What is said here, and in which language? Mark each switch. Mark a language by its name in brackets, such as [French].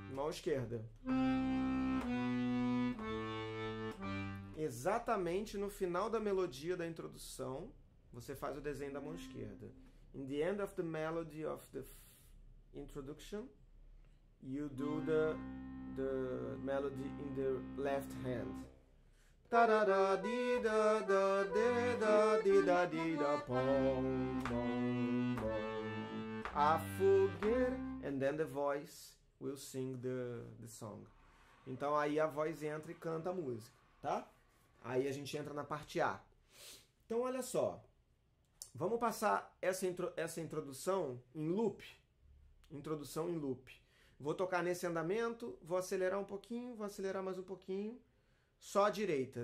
[Portuguese] Esquerda. Exatamente no final da melodia da introdução, você faz o desenho da mão esquerda. [English] In the end of the melody of the introduction, you do the melody in the left hand. Tarara di da da de da di da di da pom pom pom. [Portuguese] A fugir, [English] and then the voice will sing the song. [Portuguese] Então aí a voz entra e canta a música, tá? Aí a gente entra na parte A. Então olha só. Vamos passar essa introdução em loop. Introdução em loop. Vou tocar nesse andamento, vou acelerar um pouquinho, vou acelerar mais um pouquinho. Só a direita.